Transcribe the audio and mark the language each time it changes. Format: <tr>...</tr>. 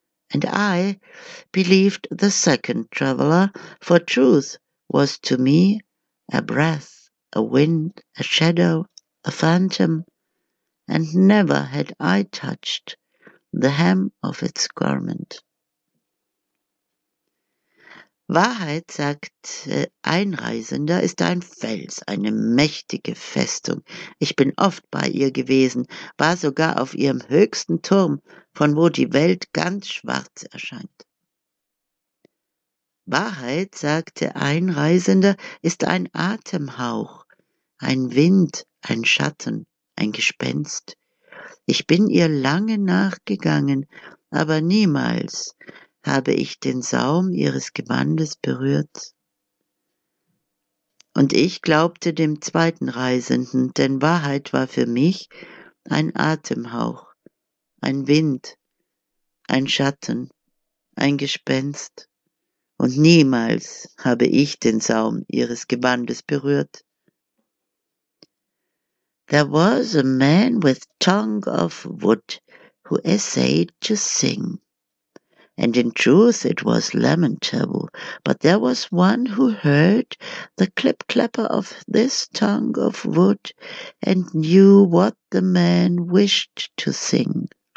<en>And I believed the second traveller, for truth was to me a breath, a wind, a shadow, a phantom, and never had I touched the hem of its garment.</en> <de>Wahrheit, sagt ein Reisender, ist ein Fels, eine mächtige Festung. Ich bin oft bei ihr gewesen, war sogar auf ihrem höchsten Turm, von wo die Welt ganz schwarz erscheint. Wahrheit, sagte ein Reisender, ist ein Atemhauch, ein Wind, ein Schatten, ein Gespenst. Ich bin ihr lange nachgegangen, aber niemals habe ich den Saum ihres Gewandes berührt. Und ich glaubte dem zweiten Reisenden, denn Wahrheit war für mich ein Atemhauch, ein Wind, ein Schatten, ein Gespenst. Und niemals habe ich den Saum ihres Gewandes berührt.</de> <en>There was a man with tongue of wood who essayed to sing. And in truth it was lamentable, but there was one who heard the clip-clapper of this tongue of wood and knew what the man wished to sing.</en>